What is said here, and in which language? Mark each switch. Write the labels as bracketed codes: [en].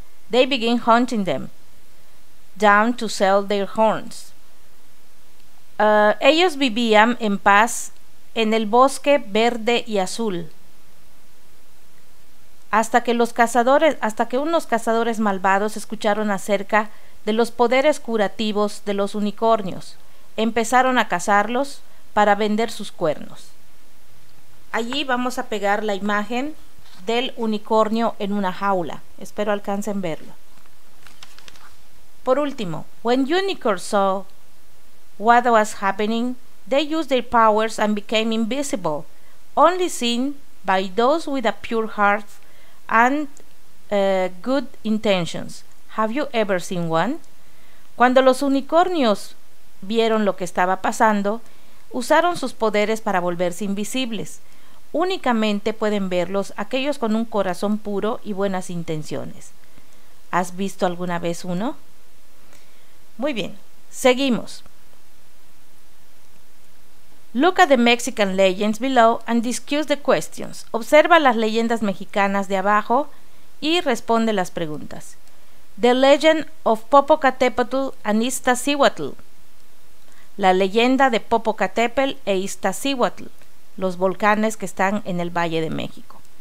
[en] They begin hunting them down to sell their horns. [es] Ellos vivían en paz en el bosque verde y azul hasta que unos cazadores malvados escucharon acerca de los poderes curativos de los unicornios. Empezaron a cazarlos para vender sus cuernos. Allí vamos a pegar la imagen del unicornio en una jaula. Espero alcancen verlo. Por último, [en] when unicorns saw what was happening, they used their powers and became invisible, only seen by those with a pure heart and good intentions. Have you ever seen one? [es] Cuando los unicornios vieron lo que estaba pasando, usaron sus poderes para volverse invisibles. Únicamente pueden verlos aquellos con un corazón puro y buenas intenciones. ¿Has visto alguna vez uno? Muy bien, seguimos. [en] Look at the Mexican legends below and discuss the questions. [es] Observa las leyendas mexicanas de abajo y responde las preguntas. [en] The legend of Popocatépetl and Iztaccíhuatl. [es] La leyenda de Popocatépetl e Iztaccíhuatl, los volcanes que están en el Valle de México.